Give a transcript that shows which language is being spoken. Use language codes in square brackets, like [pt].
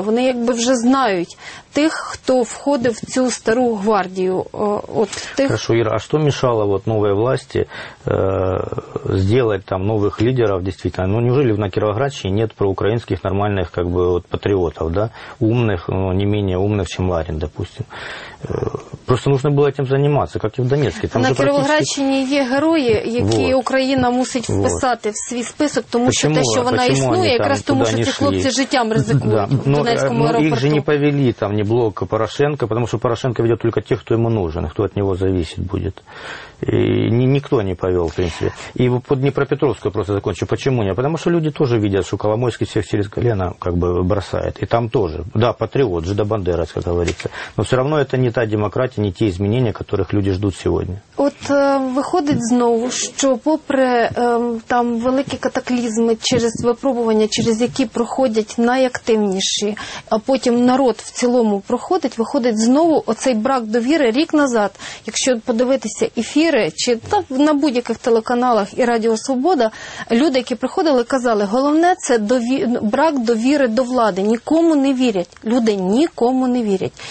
[uk] Вони якби вже знають тих, хто входив в цю стару гвардію. От тих... Хорошо, Іра, а що мішало от новій власті зробити там нових лідерів, дійсно? Ну, [ru] неужели [uk] на Кіровоградщині [ru] нет [uk] проукраїнських нормальних [ru] как бы, [uk] от, патріотів, да? Умних, ну, не менш умних, ніж Ларін, допустим. [ru] Просто нужно было этим заниматься, как и в Донецке. [uk] Там на Кіровоградщині є герої, які вот. Україна мусить вписати вот. В свій список, тому [ru] почему, [uk] що те, що вона існує, якраз тому, що ці хлопці життям ризикують да. в Донецькому аеропорту. Їх же не повели там ні блок Порошенко, тому що Порошенко веде тільки тих, хто йому нужен, хто від нього залежить буде. [ru] И никто не повел, в принципе. И под Днепропетровскую просто закончу. Почему нет? Потому что люди тоже видят, что Коломойский всех через колено как бы бросает. И там тоже. Да, патриот, жида Бандерас, как говорится. Но все равно это не та демократия, не те изменения, которых люди ждут сегодня. [uk] От виходить знову, що попри там великі катаклізми через випробування, через які проходять найактивніші, а потім народ в цілому проходить, виходить знову оцей брак довіри рік назад. Якщо подивитися ефіри, чи так на будь-яких телеканалах і Радіо Свобода, люди, які приходили, казали, головне це брак довіри до влади, нікому не вірять, люди нікому не вірять.